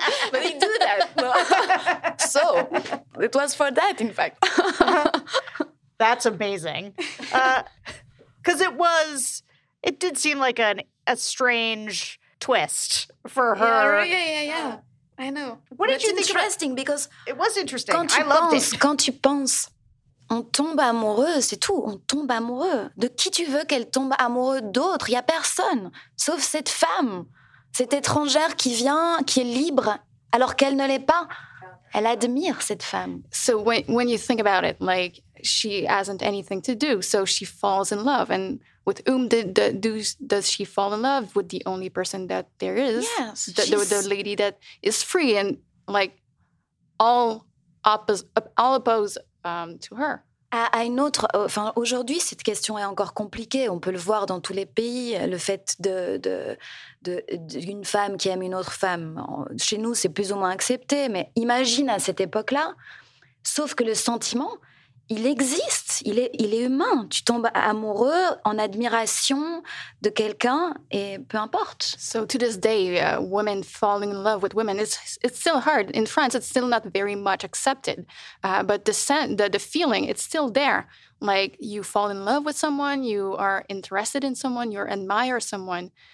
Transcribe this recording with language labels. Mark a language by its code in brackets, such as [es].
[en] But he do that, no? So it was for that, in fact. That's amazing. Because it did seem like a strange twist for her. Yeah. I know. What did you think? Interesting, because it was interesting. I loved it. [fr] Quand tu penses, on tombe amoureux, c'est tout. On tombe amoureux. De qui tu veux qu'elle tombe amoureux d'autre? Il n'y a personne, sauf cette femme, cette étrangère qui vient, qui est libre, alors qu'elle ne l'est pas. Elle admire cette femme. [en] So when you think about it, like, she hasn't anything to do, so she falls in love. And with whom does she fall in love? With the only person that there is. Yes. The lady that is free and, like, all opposed to her. [fr] À une autre, enfin, aujourd'hui, cette question est encore compliquée. On peut le voir dans tous les pays, le fait d'une femme qui aime une autre femme. Chez nous, c'est plus ou moins accepté, mais imagine à cette époque-là, sauf que le sentiment, il existe, il est humain. Tu tombes amoureux en admiration de quelqu'un et peu importe. [en] So to this day, women falling in love with women, it's still hard. In France, it's still not very much accepted. But the feeling, it's still there. Like, you fall in love with someone, you are interested in someone, you admire someone.